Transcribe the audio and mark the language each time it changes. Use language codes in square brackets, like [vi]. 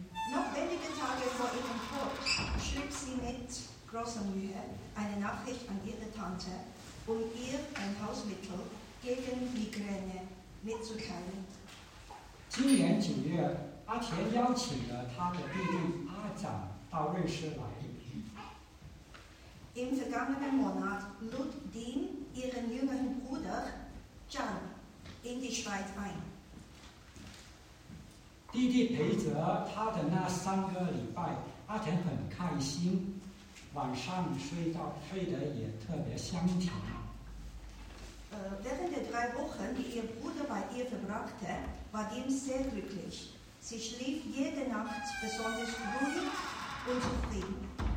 [de] Noch wenige Tage vor ihrem Tod schrieb sie mit großer Mühe eine Nachricht an ihre Tante, um ihr ein Hausmittel gegen Migräne mitzuteilen. [zh] 今年九月，阿田邀请了他的弟弟阿展到瑞士来。 [de] Im vergangenen Monat lud Dean ihren jüngeren Bruder Jan in die Schweiz ein. [zh] 弟弟陪着他的那三个礼拜，阿田很开心，晚上睡得也特别香甜。 [de] Während der drei Wochen, die ihr Bruder bei ihr verbrachte, war Dean sehr glücklich. Sie schlief jede Nacht besonders ruhig und zufrieden.